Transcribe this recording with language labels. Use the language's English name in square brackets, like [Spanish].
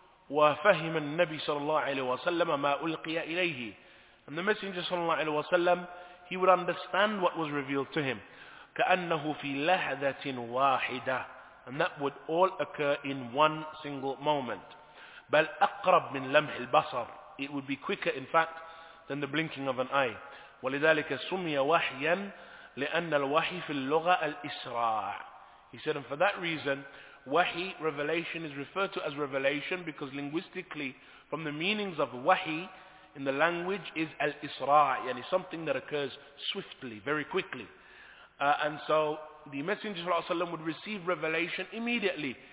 [Arabic] وَفَهِمَ النَّبِي صَلَى اللَّهُ عَلَيْهِ وَسَلَّمَ مَا أُلْقِيَ إِلَيْهِ, [English] and the messenger صلى الله عليه وسلم, he would understand what was revealed to him. [Arabic] كَأَنَّهُ فِي لَحْذَةٍ وَاحِدَةٍ, [English] and that would all occur in one single moment. [Arabic] بَلْ أَقْرَبْ مِنْ لَمْحِ الْبَصَرِ, [English] it would be quicker, in fact, than the blinking of an eye. [Arabic] ولذلك سمي وحيا لأن الوحي في اللغة الإسراع. [English] He said, and for that reason, wahi, revelation, is referred to as revelation because linguistically, from the meanings of wahi in the language, is al-isra, yani something that occurs swiftly, very quickly. And so the Messenger ﷺ would receive revelation immediately.